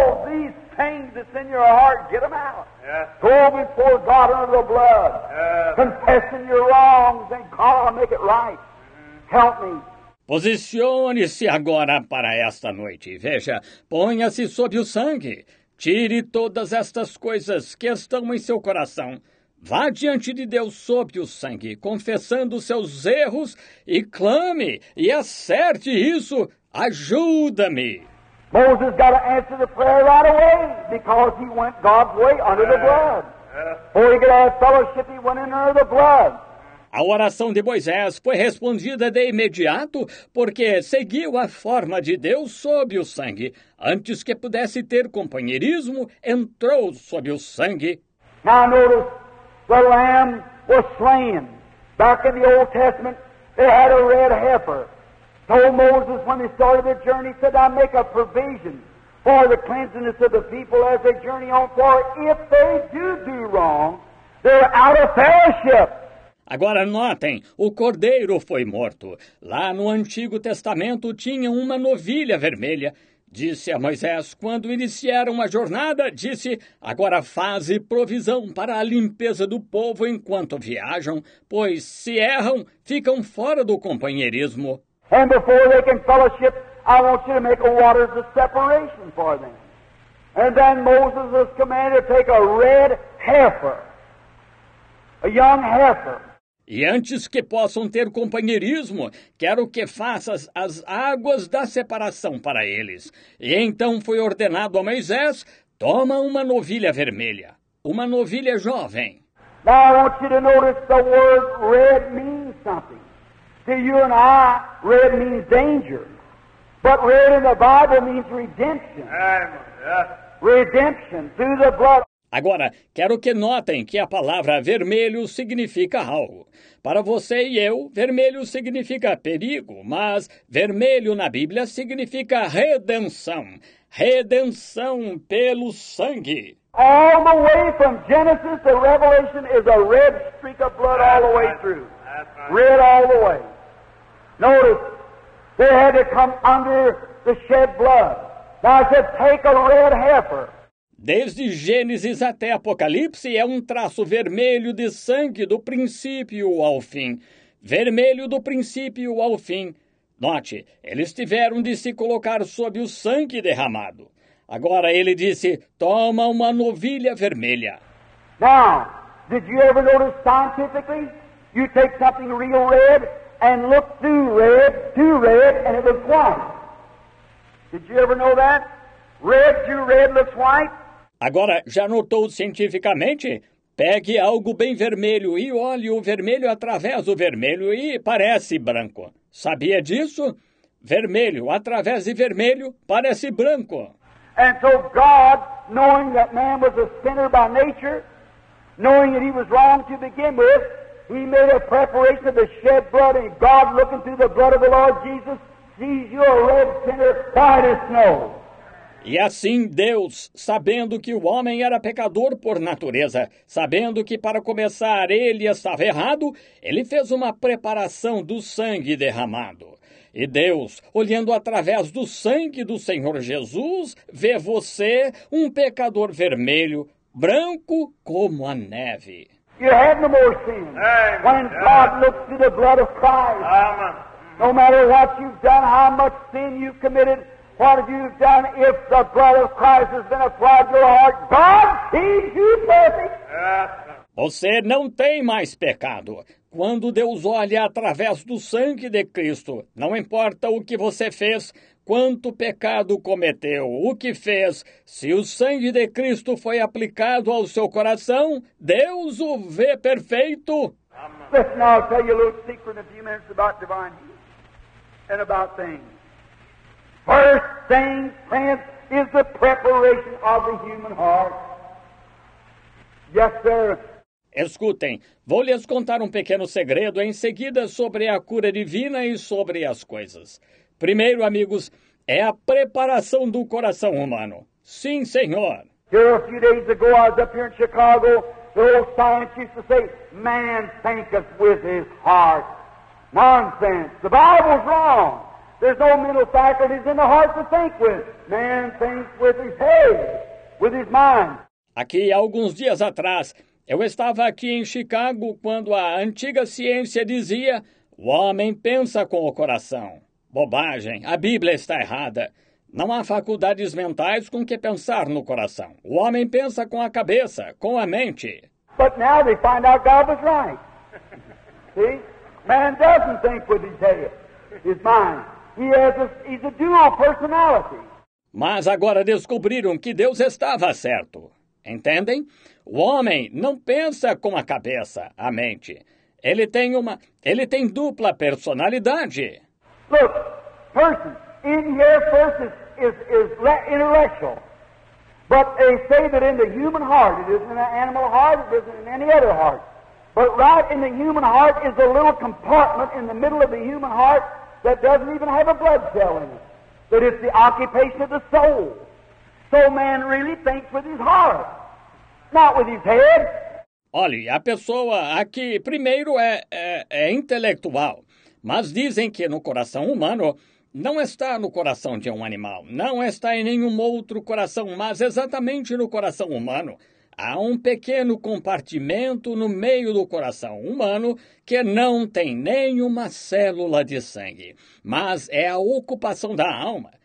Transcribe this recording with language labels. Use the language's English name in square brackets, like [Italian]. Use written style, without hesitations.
[English] These things that's in your heart, get them out. Yes. Go before God under the blood. Yes. Confessing your wrongs and God will make it right. Help me. [Portuguese] Posicione-se agora para esta noite. Veja, ponha-se sob o sangue. Tire todas estas coisas que estão em seu coração. Vá diante de Deus sob o sangue, confessando seus erros, e clame e acerte isso. Ajuda-me. [English] Moses got to answer the prayer right away because he went God's way under the blood. Before he could have fellowship, he went in under the blood. [Portuguese] A oração de Moisés foi respondida de imediato, porque seguiu a forma de Deus sob o sangue. Antes que pudesse ter companheirismo, entrou sob o sangue. [English] Now notice, the lamb was slain. Back in the Old Testament, they had a red heifer. So Moses, when he started the journey, said, I make a provision for the cleansing of the people as they journey on, for if they do wrong, they're out of fellowship. [Portuguese] Agora notem, o cordeiro foi morto. Lá no Antigo Testamento tinha uma novilha vermelha. Disse a Moisés, quando iniciaram a jornada, disse, agora faze provisão para a limpeza do povo enquanto viajam, pois se erram, ficam fora do companheirismo. [English] And before they can fellowship, I want you to make a water of separation for them. And then Moses was commanded to take a red heifer, a young heifer. [Portuguese] E antes que possam ter companheirismo, quero que faças as águas da separação para eles. E então foi ordenado a Moisés, toma uma novilha vermelha, uma novilha jovem. [English] Now I want you to notice the word red means something. To you and I, red means danger. But red in the Bible means redemption. Redemption through the blood. [Portuguese] Agora, quero que notem que a palavra vermelho significa algo. Para você e eu, vermelho significa perigo, mas vermelho na Bíblia significa redenção. Redenção pelo sangue. [English] All the way from Genesis to Revelation is a red streak of blood all the way through. Red all the way. Notice, they had to come under the shed blood. Now I said, take a red heifer. [Portuguese] Desde Gênesis até Apocalipse, é um traço vermelho de sangue do princípio ao fim. Vermelho do princípio ao fim. Note, eles tiveram de se colocar sob o sangue derramado. Agora ele disse, toma uma novilha vermelha. [English] Now, did you ever notice scientifically? You take something real red and look through red, and it looks white. Did you ever know that? Red through red looks white. [Portuguese] Agora, já notou cientificamente? Pegue algo bem vermelho e olhe o vermelho através do vermelho e parece branco. Sabia disso? Vermelho através de vermelho parece branco. [English] And so God, knowing that man was a sinner by nature, knowing that he was wrong to begin with, he made a preparation of the shed blood, and God, looking through the blood of the Lord Jesus, sees you a red sinner, white as snow. [Portuguese] E assim Deus, sabendo que o homem era pecador por natureza, sabendo que para começar ele estava errado, ele fez uma preparação do sangue derramado. E Deus, olhando através do sangue do Senhor Jesus, vê você um pecador vermelho, branco como a neve. [English] You have no more sin. When God looks through the blood of Christ, no matter what you've done, how much sin you've committed, what have you done if the blood of Christ has been applied to your heart? God sees you perfect. [Portuguese] Você não tem mais pecado. Quando Deus olha através do sangue de Cristo, não importa o que você fez, quanto pecado cometeu, o que fez, se o sangue de Cristo foi aplicado ao seu coração, Deus o vê perfeito. [English] Listen, I'll tell you a little secret in a few minutes about divine healing and about things. First thing, friends, is the preparation of the human heart. Yes, sir. [Portuguese] Escutem, vou lhes contar um pequeno segredo em seguida sobre a cura divina e sobre as coisas. Primeiro, amigos, é a preparação do coração humano. Sim, senhor. [English] Here a few days ago, I was up here in Chicago. The old science used to say, man thinketh with his heart. Nonsense. The Bible's wrong. There's no mental faculties in the heart to think with. Man thinks with his head, with his mind. [Portuguese] Aqui, alguns dias atrás, eu estava aqui em Chicago quando a antiga ciência dizia o homem pensa com o coração. Bobagem, a Bíblia está errada. Não há faculdades mentais com que pensar no coração. O homem pensa com a cabeça, com a mente. [English] But now they find out God was right. See? Man doesn't think with his head, his mind. He's a dual personality. [Portuguese] Mas agora descobriram que Deus estava certo. Entendem? O homem não pensa com a cabeça, a mente. Ele tem uma... Ele tem dupla personalidade. [English] Look, person, in here, person is intellectual. But they say that in the human heart, it isn't in an animal heart, it isn't in any other heart. But right in the human heart is a little compartment in the middle of the human heart that doesn't even have a blood cell in it. That it's the occupation of the soul. So man really thinks with his heart, not with his head. [Portuguese] Olha, a pessoa aqui primeiro é intelectual, mas dizem que no coração humano não está no coração de um animal, não está em nenhum outro coração, mas exatamente no coração humano. Há um pequeno compartimento no meio do coração humano que não tem nenhuma célula de sangue, mas é a ocupação da alma.